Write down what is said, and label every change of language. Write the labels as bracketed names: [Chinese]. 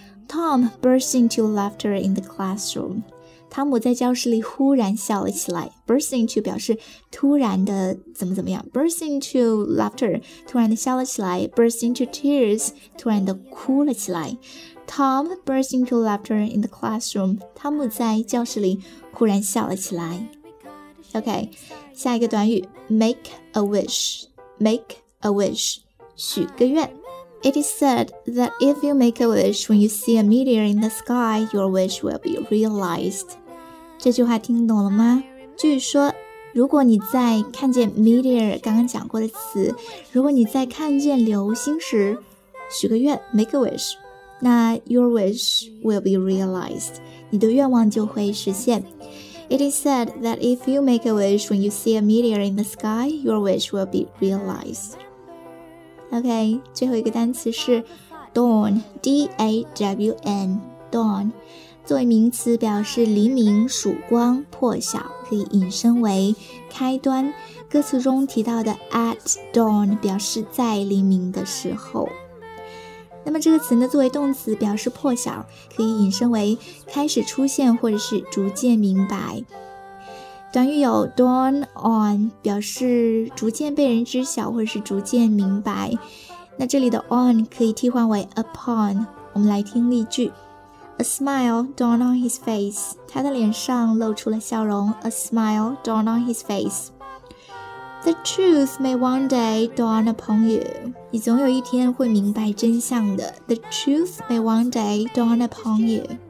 [English] Tom burst into laughter in the classroom. [Chinese] 汤姆在教室里忽然笑了起来。Burst into 表示突然的怎么怎么样。 [English] Burst into laughter, [Chinese] 突然的笑了起来。 [English] Burst into tears, [Chinese] 突然的哭了起来。 [English] Tom burst into laughter in the classroom. [Chinese] 汤姆在教室里忽然笑了起来。 [English] OK, [Chinese] 下一个短语 [English] ,make a wish. Make a wish, [Chinese] 许个愿。 [English] It is said that if you make a wish when you see a meteor in the sky, your wish will be realized. [Chinese] 这句话听懂了吗？据说，如果你在看见 meteor 刚刚讲过的词，如果你在看见流星时，许个愿 ,make a wish, 那 [English] your wish will be realized. [Chinese] 你的愿望就会实现。 [English] It is said that if you make a wish when you see a meteor in the sky, your wish will be realized. [Chinese] OK, 最后一个单词是 dawn, D-A-W-N, dawn, 作为名词表示黎明、曙光、破晓可以引申为开端。歌词中提到的 at dawn 表示在黎明的时候。那么这个词呢作为动词表示破晓可以引申为开始出现或者是逐渐明白。短语有 dawn on 表示逐渐被人知晓或者是逐渐明白那这里的 on 可以替换为 upon 我们来听例句 [English] A smile dawned on his face [Chinese] 他的脸上露出了笑容 A smile dawned on his face [English] The truth may one day dawn upon you [Chinese] 你总有一天会明白真相的 The truth may one day dawn upon you